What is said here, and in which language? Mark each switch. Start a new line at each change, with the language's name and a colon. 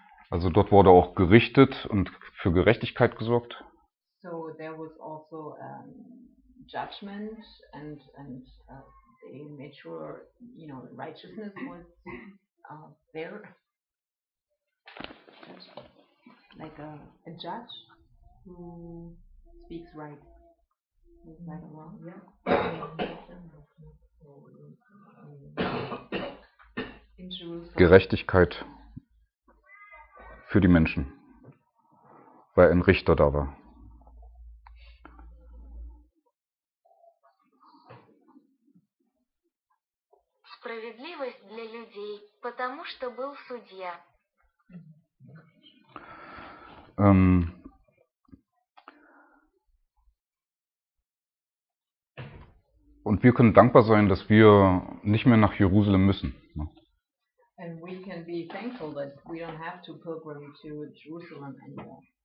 German: Also dort wurde auch gerichtet und für Gerechtigkeit gesorgt.
English: So there was also judgment and they made sure, you know, righteousness was there. Like a judge who speaks right. Is that wrong? Yeah.
German: Gerechtigkeit für die Menschen, weil ein Richter da war.
Russian: Справедливость для людей, потому что был судья. Um,
German: Und wir können dankbar sein, dass wir nicht mehr nach Jerusalem müssen.
English: And we can be thankful that we don't have to pilgrim to Jerusalem anymore.